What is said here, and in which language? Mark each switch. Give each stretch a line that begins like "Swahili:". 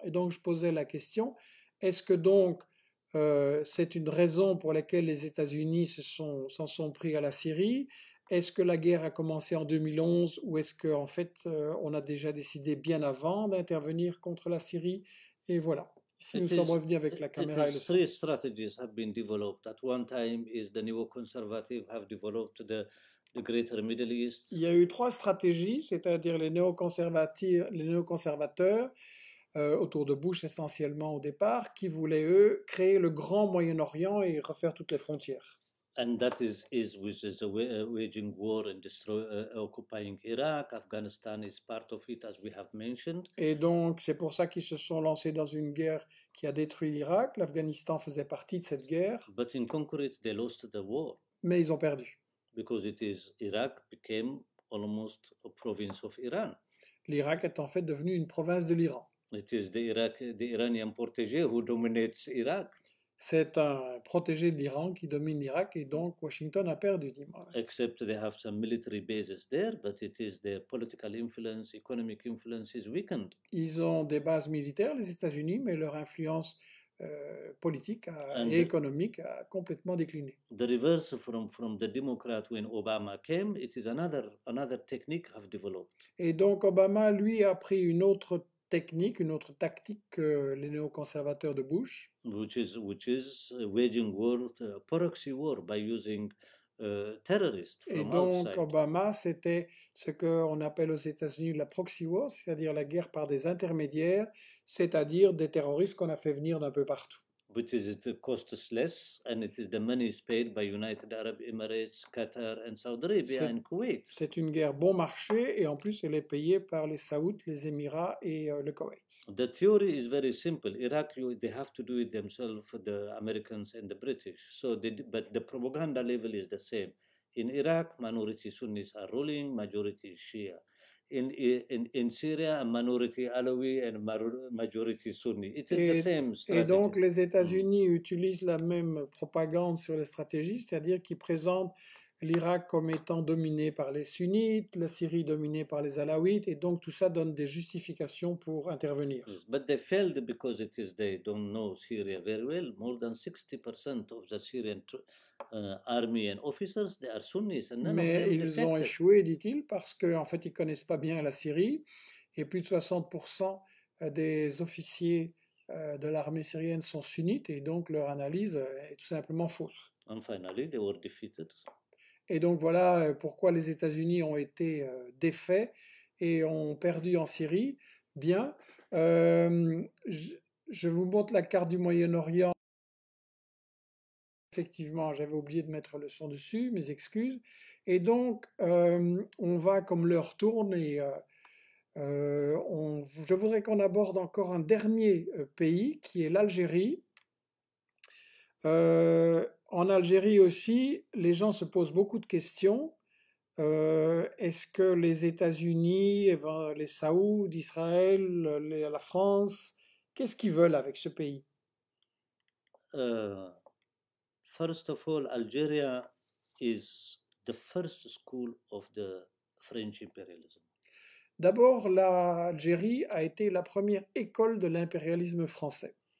French: Et donc, je posais la question, est-ce que donc c'est une raison pour laquelle les États-Unis s'en sont pris à la Syrie? Est-ce que la guerre a commencé en 2011 ou est-ce qu'en fait on a déjà décidé bien avant d'intervenir contre la Syrie? Et voilà, ici nous sommes revenus avec la
English: It
French: caméra et
English: is
French: le son.
English: three strategies have been developed. At one time is the neoconservative have developed the greater Middle East.
French: Il y a eu trois stratégies, c'est-à-dire les néoconservateurs autour de Bush essentiellement au départ, qui voulaient eux créer le grand Moyen-Orient et refaire toutes les frontières.
English: And that is which is waging war and destroy, occupying Iraq. Afghanistan is part of it, as we have mentioned.
French: Et donc, c'est pour ça qu'ils se sont lancés dans une guerre qui a détruit l'Irak. L'Afghanistan faisait partie de cette guerre.
English: But in concrete, they lost the war.
French: Mais ils ont perdu.
English: Because it is Iraq became almost a province of Iran.
French: L'Irak est en fait devenu une province de l'Iran.
English: It is the Iranian protégé who dominates Iraq.
French: C'est un protégé de l'Iran qui domine l'Irak et donc Washington a perdu dimanche.
English: Except they have some military bases there, but it is their political influence, economic influence is weakened.
French: Ils ont des bases militaires, les États-Unis, mais leur influence politique et économique a complètement décliné.
English: The reverse from the Democrat when Obama came, it is another technique have developed.
French: Et donc Obama, lui, a pris une autre technique, une autre tactique que les néoconservateurs de Bush,
English: which is waging war, proxy war by using terrorists from outside.
French: Et donc
English: outside.
French: Obama, c'était ce que on appelle aux États-Unis la proxy war, c'est-à-dire la guerre par des intermédiaires, c'est-à-dire des terroristes qu'on a fait venir d'un peu partout.
English: Which is it costs less, and it is the money paid by United Arab Emirates, Qatar, and Saudi Arabia and Kuwait.
French: C'est une guerre bon marché, et en plus, elle est payée par les Saouds, les Émirats et le Koweït.
English: The theory is very simple. Iraq, they have to do it themselves, the Americans and the British. But the propaganda level is the same. In Iraq, minority Sunnis are ruling, majority Shia. In Syria, a minority Alawi and majority Sunni. It is the same strategy.
French: Et donc, les États-Unis utilisent la même propagande sur les stratégies, c'est-à-dire qu'ils présentent l'Irak comme étant dominé par les Sunnites, la Syrie dominée par les Alawites, et donc tout ça donne des justifications pour intervenir.
English: Yes, but they failed because it is they don't know Syria very well. More than 60% of the Syrian army and officers, they are Sunnis. And
French: mais
English: of them
French: ils
English: defected.
French: Ont échoué, dit-il, parce qu'en fait, ils ne connaissent pas bien la Syrie, et plus de 60% des officiers de l'armée syrienne sont sunnites, et donc leur analyse est tout simplement fausse.
English: And finally, they were defeated.
French: Et donc voilà pourquoi les États-Unis ont été défaits et ont perdu en Syrie. Bien, je vous montre la carte du Moyen-Orient. Effectivement, j'avais oublié de mettre le son dessus, mes excuses. Et donc, on va comme l'heure tourne et je voudrais qu'on aborde encore un dernier pays qui est l'Algérie. En Algérie aussi, les gens se posent beaucoup de questions. Est-ce que les États-Unis, les Saouds, Israël, la France, qu'est-ce qu'ils veulent avec ce pays?
English: First of all, Algeria is the first school of the French imperialism.
French: D'abord, l'Algérie a été la première école de l'impérialisme français.